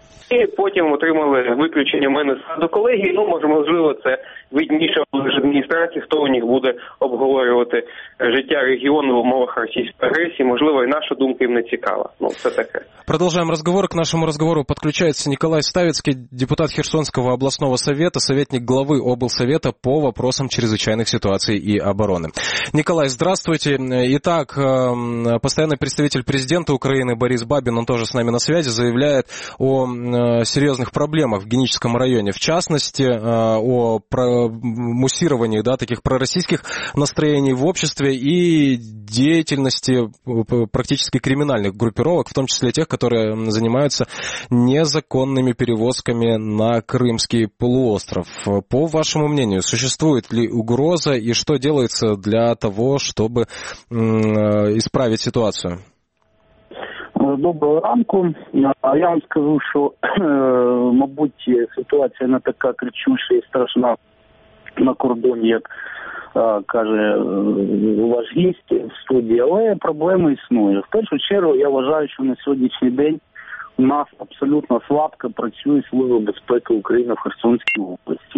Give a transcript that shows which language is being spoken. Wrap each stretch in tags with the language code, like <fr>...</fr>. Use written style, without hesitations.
<uk>І потім отримали виключення мене саду колегії. Ну, можливо, це видніше в адміністрації, хто у них буде обговорювати життя регіону в умовах російської агресії. Можливо, і наша думка їм не цікава. Ну, це таке. Продовжуємо розговор. К нашому розговору підключається Ніколай Ставицький, депутат Херсонського обласного совєта, совєтник глави облсовєта по вопросам чрезвичайних ситуацій і оборони. Ніколай, здравствуйте. І так, постійний представитель президента України Борис Бабін, він теж з нами на зв'язку,</uk> <ru>заявляє о серьезных проблемах в Геническом районе, в частности, о муссировании, да, таких пророссийских настроений в обществе и деятельности практически криминальных группировок, в том числе тех, которые занимаются незаконными перевозками на Крымский полуостров. По вашему мнению, существует ли угроза и что делается для того, чтобы исправить ситуацию?</ru> <uk>Доброго ранку. А я вам скажу, що, мабуть, ситуація не така кричуща і страшна на кордоні, як каже ваш гість в студії, але проблеми існує. В першу чергу, я вважаю, що на сьогоднішній день у нас абсолютно слабко працює Служба безпеки України в Херсонській області.</uk>